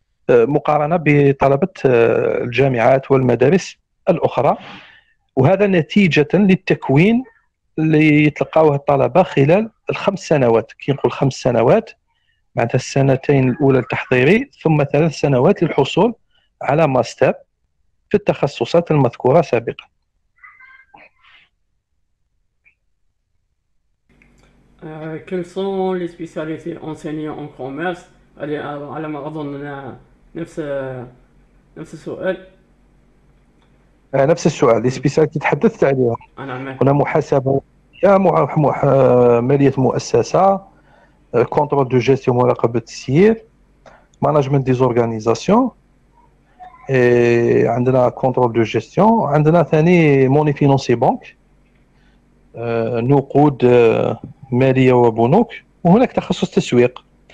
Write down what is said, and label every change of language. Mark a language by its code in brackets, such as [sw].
[ar] مقارنة بطلبة الجامعات والمدارس الأخرى وهذا نتيجة للتكوين اللي يتلقاوه الطلبة خلال الخمس سنوات كي نقول خمس سنوات معناتها السنتين الأولى التحضيري ثم ثلاث سنوات للحصول على ماستر في التخصصات المذكورة سابقا [fr] quelles sont les spécialités enseignées en commerce? Allez, à la maison, [ar] نفس السؤال. نفس السؤال لي سبيسياليتي تحدثت عليها. انا عمي. هنا محاسبه يا ماليه مؤسسه، [fr] كونترول دو جيستيون [ar] مراقبه السير، [fr] مانجمنت دي زورغانيزاسيون، [ar] عندنا كونترول دو جيستيون، عندنا ثاني [fr] موني فينونسي بنك، [ar] نقود ماليه وبنوك، وهناك تخصص تسويق.